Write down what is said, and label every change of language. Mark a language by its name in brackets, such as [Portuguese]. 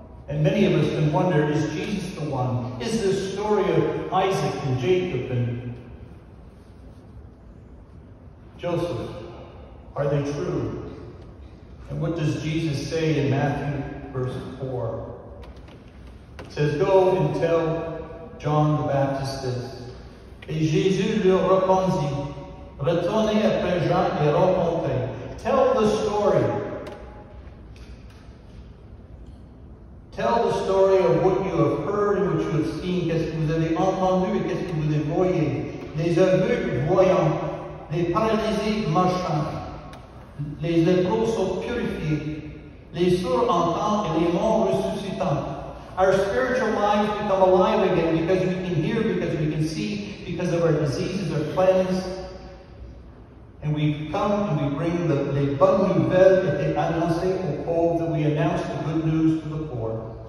[English] And many of us can wonder, is Jesus the one? Is this story of Isaac and Jacob and Joseph, are they true? And what does Jesus say in Matthew verse 4? It says, "Go and tell John the Baptist this." [French] Et Jésus lui répondit, "Retournez après Jean et racontez." [English] Tell the story. Tell the story of what you have heard and what you have seen. [French] Qu'est-ce que vous avez entendu et qu'est-ce que vous avez voyé? Les aveugles voyants, les paralysés marchant, les lépreux sont purifiés, les sourds entendent et les morts ressuscitant. [English] Our spiritual lives become alive again because we can hear, because we can see, because of our diseases are cleansed. And we come and we bring the [French] bonne nouvelle [English] that they [French] annonce au pauvre, [English] that we announce the good news to the poor.